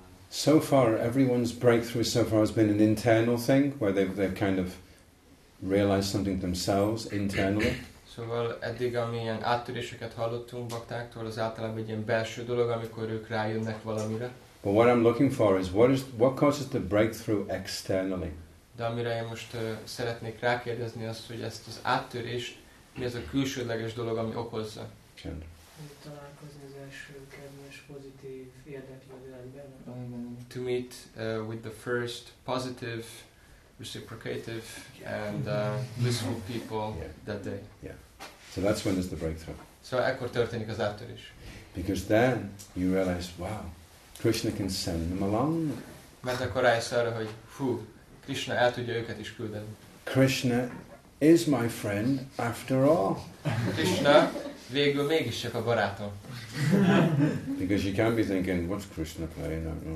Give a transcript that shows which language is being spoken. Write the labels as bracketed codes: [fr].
[en] So far, everyone's breakthrough so far has been an internal thing, where they've kind of realized something themselves internally. [hu] Szóval eddig, amilyen áttöréseket hallottunk baktáktól, az általában egy ilyen belső dolog, amikor ők rájönnek valamire. [en] But what I'm looking for is what causes the breakthrough externally? [hu] De amire én most szeretnék rákérdezni azt, hogy ezt az áttörést, mi ez a külsődleges dolog, ami okozza? Csend. Találkozni az első kedves, pozitív érdeklődőben. [en] To meet with the first positive, reciprocative and blissful people that day. Yeah. So that's when there's the breakthrough. [hu] So ekkor történik az áttörés. [en] Because then you realize, wow, Krishna can send them along. [hu] Mert akkor rájössz arra, hogy hú, Krishna el tudja őket is küldeni. [en] Krishna is my friend after all. [hu] Krishna végül mégis csak a barátom. [en] Because you can't be thinking, what's Krishna playing?